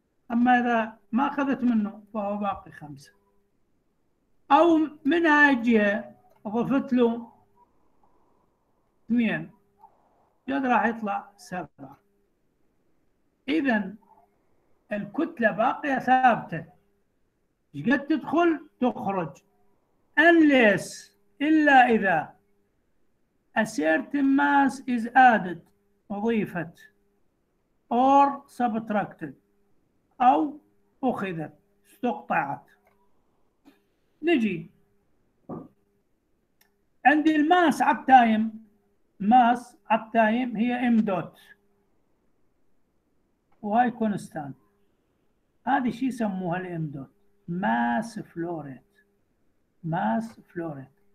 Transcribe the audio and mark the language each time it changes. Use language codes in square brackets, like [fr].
[ar] أما إذا ما أخذت منه فهو باقي 5. أو من هاي الجهة أضفت له 2، راح يطلع 7. إذن الكتلة باقية ثابتة، قد تدخل تخرج. [en] Unless [ar] إلا إذا [en] a certain mass is added، [ar] أضيفت، [en] or subtracted، [ar] أو أخذت استقطعت. نجي عندي الماس على التايم، ماس على التايم هي M dot وهاي كونستانت، هذه شي يسموها الام دوت، ماس فلو ريت، ماس فلو ريت.